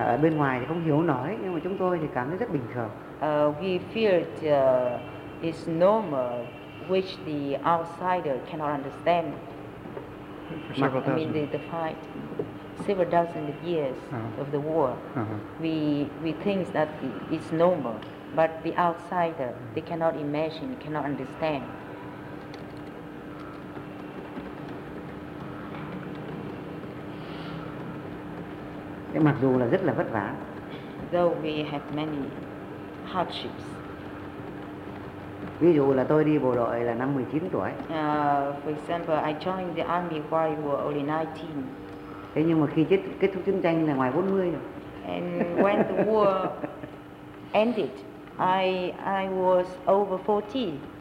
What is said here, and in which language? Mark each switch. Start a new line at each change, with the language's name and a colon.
Vietnamese: ở bên ngoài thì không hiểu nổi, nhưng mà chúng tôi thì cảm thấy rất bình thường.
English: We felt it's normal, which the outsider cannot understand. The fight, several dozen of years uh-huh. of the war, uh-huh. we think that it's normal, but the outsider, they cannot imagine, cannot understand.
Vietnamese: Thế mặc dù là rất là vất vả.
English: Though we had many hardships.
Vietnamese: Ví dụ là tôi đi bộ đội là năm 19 tuổi.
English: For example, I joined the army while you were only 19.
Vietnamese: Thế nhưng mà khi kết thúc chiến tranh là ngoài 40 rồi.
English: And when the war ended, I was over 40.